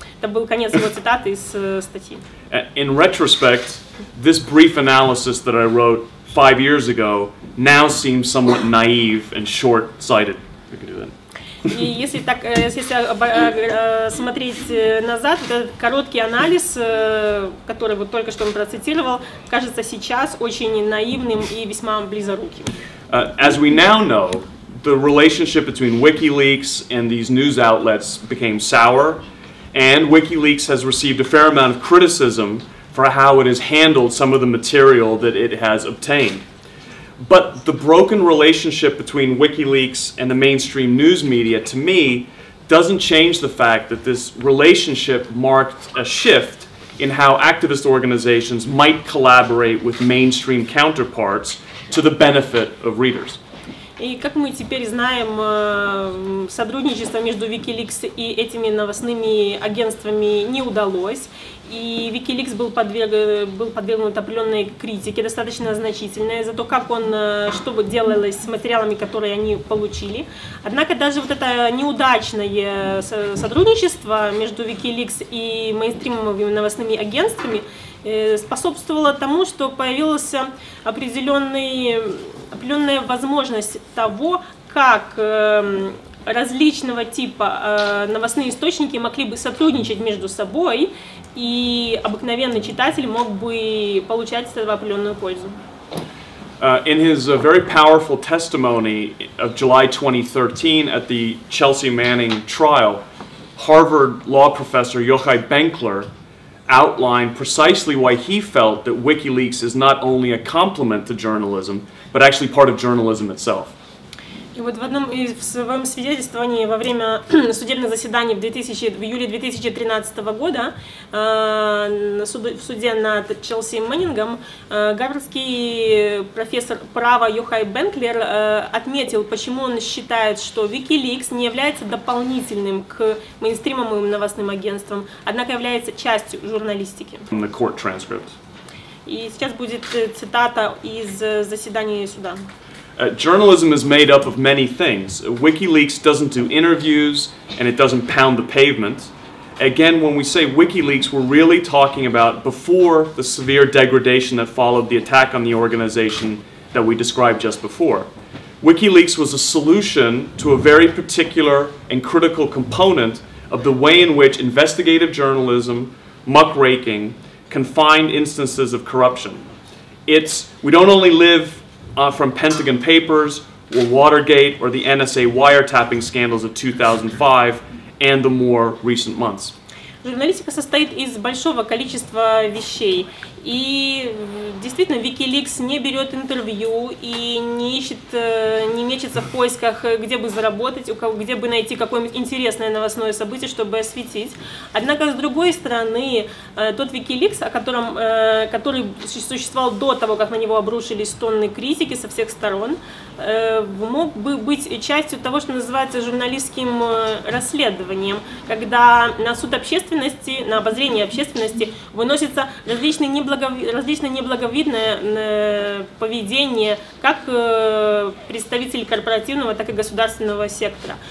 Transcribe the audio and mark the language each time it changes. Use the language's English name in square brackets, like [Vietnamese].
[Russian] Это был конец его цитаты из статьи. [English] In retrospect, this brief analysis that I wrote 5 years ago now seems somewhat naive and short-sighted. We can do that. [Russian] И если так, если смотреть назад, этот короткий анализ, который вот только что он процитировал, кажется сейчас очень наивным и весьма близоруким. [English] As we now know, the relationship between WikiLeaks and these news outlets became sour. And WikiLeaks has received a fair amount of criticism for how it has handled some of the material that it has obtained. But the broken relationship between WikiLeaks and the mainstream news media, to me, doesn't change the fact that this relationship marked a shift in how activist organizations might collaborate with mainstream counterparts to the benefit of readers. [Russian] И как мы теперь знаем, сотрудничество между WikiLeaks и этими новостными агентствами не удалось. И WikiLeaks был, был подвергнут определенной критике, достаточно значительной, за то, как он, что делалось с материалами, которые они получили. Однако даже вот это неудачное сотрудничество между WikiLeaks и мейнстримовыми новостными агентствами способствовало тому, что появился определенная возможность того, к как различного типа новостные источники могли бы сотрудничать между собой, и обыкновенный читатель мог бы получать от этого определенную пользу. [English] In his very powerful testimony of July 2013 at the Chelsea Manning trial, Harvard law professor Yochai Benkler outlined precisely why he felt that WikiLeaks is not only a complement to journalism, but actually part of journalism itself. [Russian] И вот в одном из своем свидетельствовании во время судебного заседания в июле 2013 года в суде над Челси Мэннингом гарвардский профессор права Йохай Бенклер отметил, почему он считает, что WikiLeaks не является дополнительным к мейнстримовым новостным агентствам, однако является частью журналистики. [English] The court transcript. [Russian] И сейчас будет цитата из заседания суда. [English] Journalism is made up of many things. WikiLeaks doesn't do interviews, and it doesn't pound the pavement. Again, when we say WikiLeaks, we're really talking about before the severe degradation that followed the attack on the organization that we described just before. WikiLeaks was a solution to a very particular and critical component of the way in which investigative journalism, muckraking, can find instances of corruption. We don't only live from Pentagon Papers, or Watergate, or the NSA wiretapping scandals of 2005, and the more recent months. [Russian] Журналистика состоит из большого количества вещей. И действительно, WikiLeaks не берет интервью и не мечется в поисках, где бы заработать, где бы найти какое-нибудь интересное новостное событие, чтобы осветить. Однако, с другой стороны, тот WikiLeaks, который существовал до того, как на него обрушились тонны критики со всех сторон, мог бы быть частью того, что называется журналистским расследованием, когда на суд общественности, на обозрение общественности выносятся различные неблаговидное поведение как представителей корпоративного, так и государственного сектора.